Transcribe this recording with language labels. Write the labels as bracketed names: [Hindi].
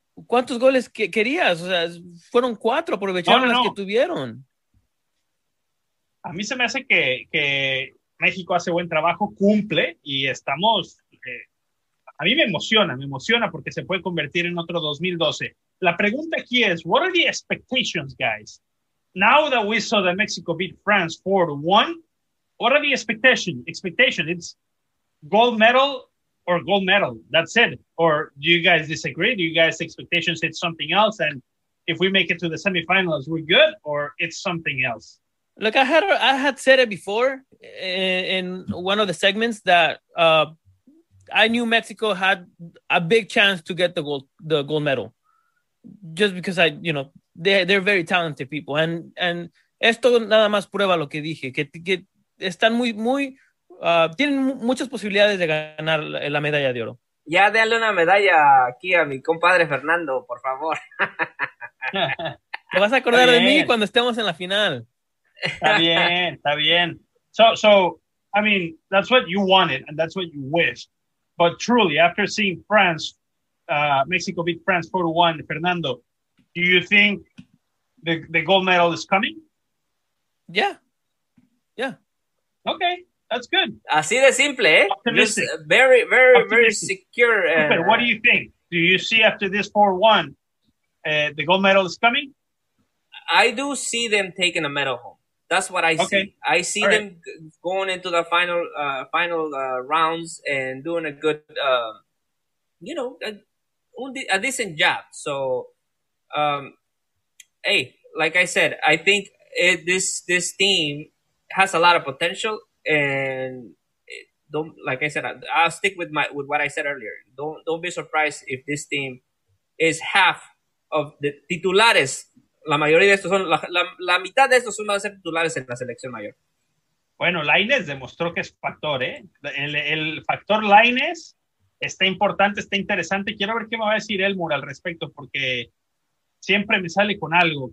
[Spanish] ¿Cuántos goles querías? O sea, fueron 4, aprovecharon las que tuvieron. A mí se me hace que México hace buen trabajo, cumple, y estamos... a mí me emociona, porque se puede convertir en otro 2012. La pregunta aquí es, [English] what are the expectations, guys? Now that we saw that Mexico beat France 4-1, what are the expectations? Expectation, it's gold medal or gold medal, that's it. Or do you guys disagree? Do you guys' expectations hit something else? And if we make it to the semifinals, we're good, or it's something else? Look, I had said it before in one of the segments that I knew Mexico had a big chance to get the gold medal, just because they're very talented people, and [Spanish] esto nada más prueba lo que dije, que están muy muy tienen muchas posibilidades de ganar la medalla de oro. Ya denle una medalla aquí a mi compadre Fernando, por favor. Te vas a acordar de mí cuando estemos en la final. Está bien. [English] So I mean, that's what you wanted and that's what you wish. But truly, after seeing France, Mexico beat France 4-1, Fernando, do you think the gold medal is coming? Yeah. Okay, that's good. [Spanish] Así de simple, [English] optimistic. Very, very, optimistic. Very secure. Super. What do you think? Do you see after this 4-1, the gold medal is coming? I do see them taking a medal home. That's what I see. Okay. I see all them right. Going into the final rounds and doing a good, a decent job. So, hey, like I said, I think this team has a lot of potential. And I'll stick with what I said earlier. Don't be surprised if this team is half of the titulares. [Spanish] La mayoría de estos son, la mitad de estos son van a ser titulares en la selección mayor. Bueno, Lainez demostró que es factor, ¿eh? El factor Lainez está importante, está interesante. Quiero ver qué me va a decir Elmore al respecto, porque siempre me sale con algo.